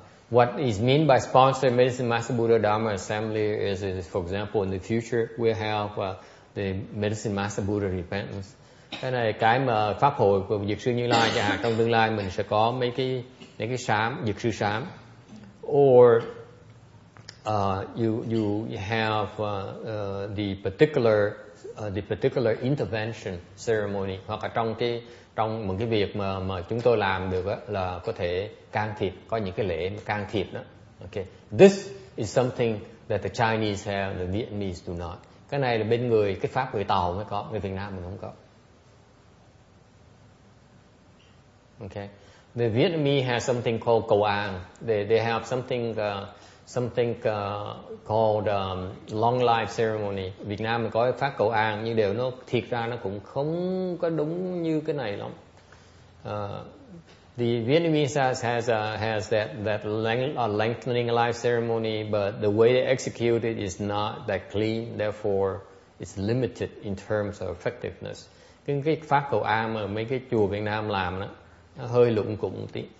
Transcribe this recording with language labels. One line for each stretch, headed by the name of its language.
English: What is meant by sponsor medicine master Buddha Dharma assembly is for example, in the future we'll have the medicine master Buddha repentance.
Vietnamese: Cái này cái mà pháp hội của dược sư Như Lai, chẳng hạn trong tương lai mình sẽ có mấy cái sám, dược sư sám,
English: or you have the particular intervention ceremony,
Vietnamese: hoặc là trong một cái việc mà chúng tôi làm được đó, là có thể can thiệp, có những cái lễ can thiệp đó.
English: Okay, this is something that the Chinese have, the Vietnamese do not.
Vietnamese: Cái này là bên người cái pháp người Tàu mới có, người Việt Nam mình không có.
English: Okay, the Vietnamese have something called cầu an. They have something called long life ceremony.
Vietnamese: Việt Nam mình có phát cầu an nhưng điều nó thiệt ra nó cũng không có đúng như cái này lắm.
English: The Vietnamese has that lengthening life ceremony, but the way they execute it is not that clean. Therefore, it's limited in terms of effectiveness.
Vietnamese: Cái phát cầu an mà mấy cái chùa Việt Nam làm đó, nó hơi lụng cụng tí.